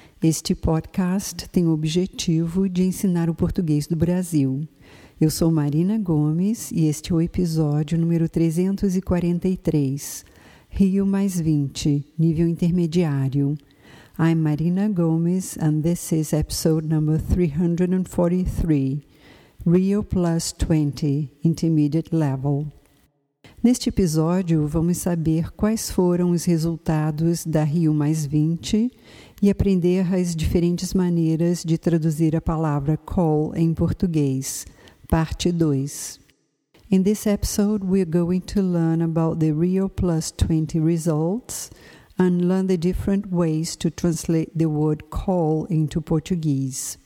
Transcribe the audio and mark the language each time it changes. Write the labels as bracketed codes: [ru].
[pt] Este podcast tem o objetivo de ensinar o português do Brasil. Eu sou Marina Gomes e este é o episódio número 343, Rio mais 20, nível intermediário. [en] I'm Marina Gomes and this is episode number 343. Rio Plus 20, Intermediate Level. [pt] Neste episódio, vamos saber quais foram os resultados da Rio Mais 20 e aprender as diferentes maneiras de traduzir a palavra call em português. Parte 2. [en] In this episode, we're going to learn about the Rio Plus 20 results and learn the different ways to translate the word call into Portuguese.